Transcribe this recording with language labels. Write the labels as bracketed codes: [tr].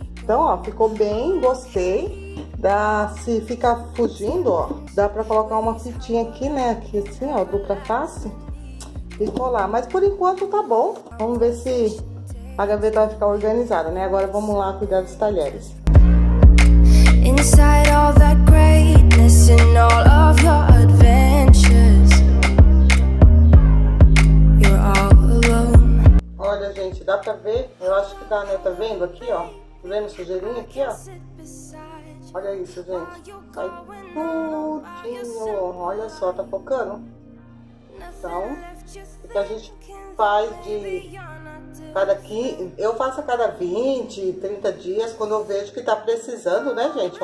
[pt] Então, ó, ficou bem, gostei. Dá, se ficar fugindo, ó, dá pra colocar uma fitinha aqui, né? Aqui assim, ó, dupla face. Ficou lá. Mas por enquanto tá bom. Vamos ver se a gaveta vai ficar organizada, né? Agora vamos lá cuidar dos talheres. [en] Inside all that greatness and all of your adventures, you're all alone. [pt] Olha, gente, dá pra ver? Eu acho que dá, né? Tá vendo aqui, ó? Tá vendo a sujeirinha aqui, ó? Olha isso, gente. Sai tudinho. Olha só, tá focando. Então, o que a gente faz de cada aqui, eu faço a cada 20, 30 dias, quando eu vejo que tá precisando, né, gente?